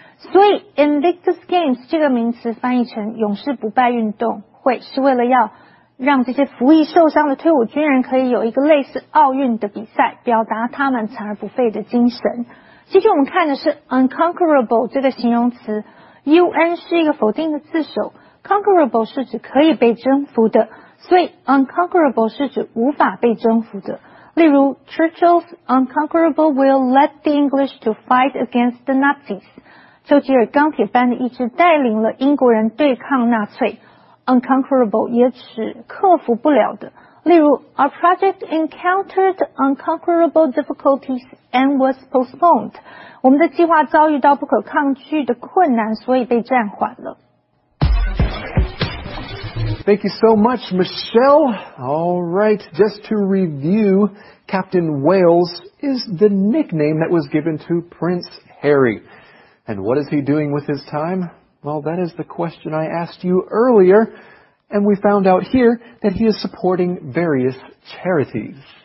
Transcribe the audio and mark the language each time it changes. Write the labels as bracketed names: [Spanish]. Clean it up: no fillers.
[Chinese] 所以 Invictus Games 这个名词翻译成永世不败运动会，是为了要让这些服役受伤的退伍军人可以有一个类似奥运的比赛，表达他们残而不废的精神。其实我们看的是 unconquerable 这个形容词， un 是一个否定的字首， conquerable 是指可以被征服的，所以 unconquerable 是指无法被征服的。例如 [English] Churchill's unconquerable will led the English to fight against the Nazis， [Chinese] 丘吉尔钢铁般的意志带领了英国人对抗纳粹。 Unconquerable 也指克服不了的。例如 [English] Our project encountered unconquerable difficulties and was postponed. [Chinese] 我们的计划遭遇到不可抗拒的困难，所以被暂缓了。 [English] Thank you so much, Michelle. All right, just to review, Captain Wales is the nickname that was given to Prince Harry. And what is he doing with his time? Well, that is the question I asked you earlier, and we found out here that he is supporting various charities.